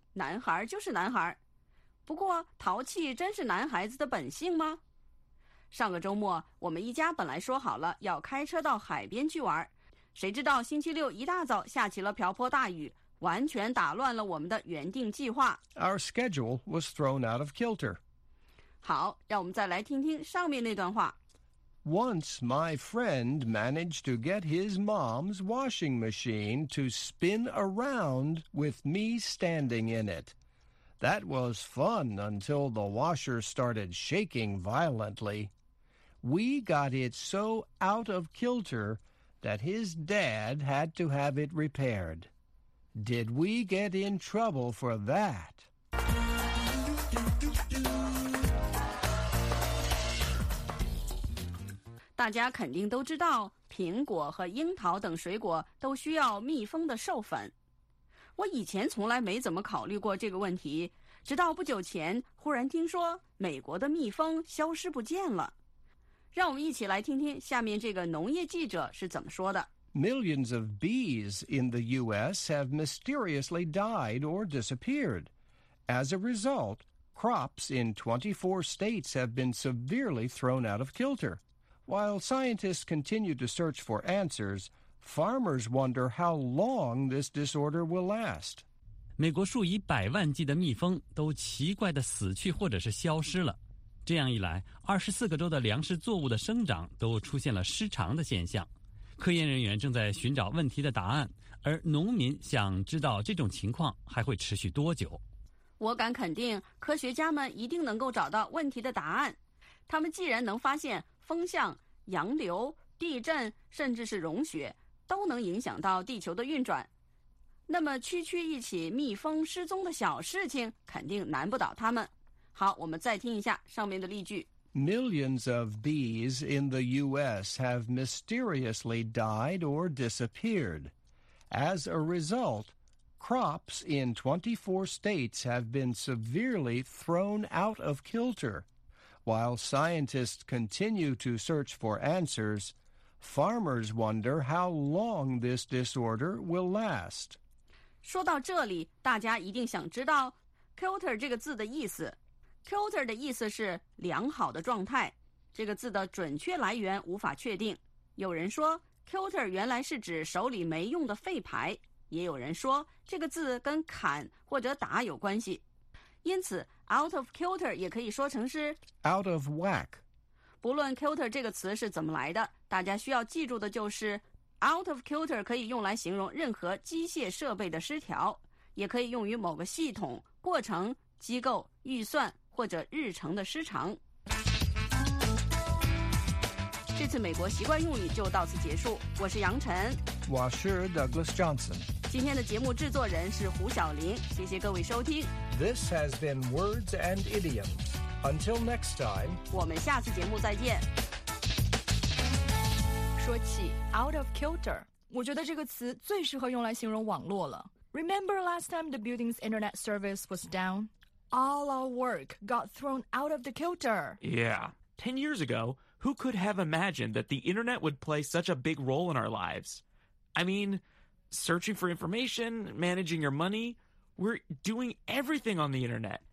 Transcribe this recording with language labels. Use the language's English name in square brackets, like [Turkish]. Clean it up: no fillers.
[Chinese] 男孩就是男孩。不过淘气真是男孩子的本性吗？上个周末我们一家本来说好了要开车到海边去玩，谁知道星期六一大早下起了瓢泼大雨，完全打乱了我们的原定计划。 [English] Our schedule was thrown out of kilter. [Chinese] 好，让我们再来听听上面那段话。 [English] Once my friend managed to get his mom's washing machine to spin around with me standing in it. That was fun until the washer started shaking violently. We got it so out of kilter that his dad had to have it repaired. Did we get in trouble for that? [Chinese] 大家肯定都知道，苹果和樱桃等水果都需要密封的授粉。我以前从来没怎么考虑过这个问题，直到不久前忽然听说美国的蜜蜂消失不见了。让我们一起来听听下面这个农业记者是怎么说的。 [English] Millions of bees in the U.S. have mysteriously died or disappeared. As a result, crops in 24 states have been severely thrown out of kilter. While scientists continue to search for answers, farmers wonder how long this disorder will last. [Chinese] 美国数以百万计的蜜蜂都奇怪地死去或者是消失了。这样一来，24个州的粮食作物的生长都出现了失常的现象。科研人员正在寻找问题的答案，而农民想知道这种情况还会持续多久。我敢肯定，科学家们一定能够找到问题的答案。他们既然能发现风向、洋流、地震，甚至是融雪，都能影响到地球的运转。那么，区区一起蜜蜂失踪的小事情，肯定难不倒他们。好，我们再听一下上面的例句。 [English] Millions of bees in the U.S. have mysteriously died or disappeared. As a result, crops in 24 states have been severely thrown out of kilter. While scientists continue to search for answers, farmers wonder how long this disorder will last. [Chinese] 说到这里，大家一定想知道 kilter 这个字的意思。 kilter 的意思是良好的状态。这个字的准确来源无法确定。有人说 kilter 原来是指手里没用的废牌，也有人说这个字跟砍或者打有关系。因此out of kilter 也可以说成是 [English] out of whack。 [Chinese] 不论 kilter 这个词是怎么来的，大家需要记住的就是 out of kilter 可以用来形容任何机械设备的失调，也可以用于某个系统、过程、机构、预算或者日程的失常。这次美国习惯用语就到此结束，我是杨晨，我是 Douglas Johnson。今天的节目制作人是胡晓玲，谢谢各位收听。 [English] This has been Words and Idioms. Until next time. [Chinese] 我们下次节目再见。说起 out of kilter, 我觉得这个词最适合用来形容网络了。 [English] Remember last time the building's internet service was down? All our work got thrown out of the kilter. Yeah. 10 years ago, who could have imagined that the internet would play such a big role in our lives? I mean... Searching for information, managing your money, we're doing everything on the internet.